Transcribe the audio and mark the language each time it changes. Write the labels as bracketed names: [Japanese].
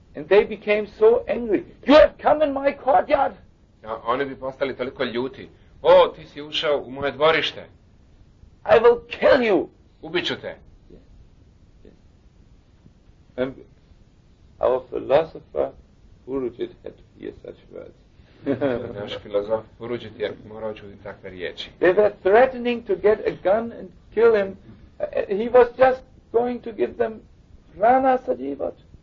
[English] And they became so angry. You have come in my courtyard. [Croatian] Oni bi postali toliko ljuti. O, ti si ušao u moje dvorište. [English] I will kill you. [Croatian] Ubiću te. [English] Our philosopher Purujit had to hear such words. [Croatian] Naš filozof Purujit je morao čuti takve riječi. [English] They were threatening to get a gun and kill him. He was just going to give them rana sa život.